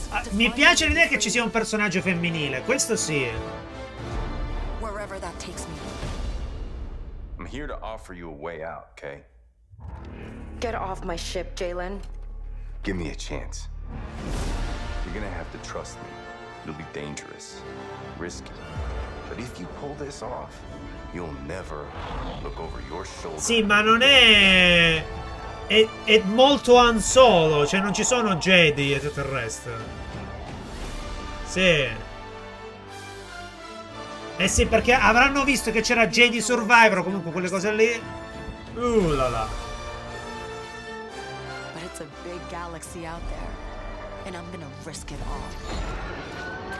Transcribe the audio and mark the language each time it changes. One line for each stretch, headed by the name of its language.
Italian: Mi piace l'idea che ci sia un personaggio femminile, questo sì.
English: Wherever that takes me. I'm here to offer you a way out, okay? Get off my ship, Jaylen. Give me a chance. You're gonna have to trust me. It'll be dangerous, risky. But if you pull this off, you'll never look over your shoulder.
Italian: Sì, ma non è molto Han Solo, cioè non ci sono Jedi e tutto il resto. Sì. Eh sì, perché avranno visto che c'era Jedi Survivor, comunque quelle cose lì. Là là.
English: But it's a big galaxy out there and I'm gonna risk it all.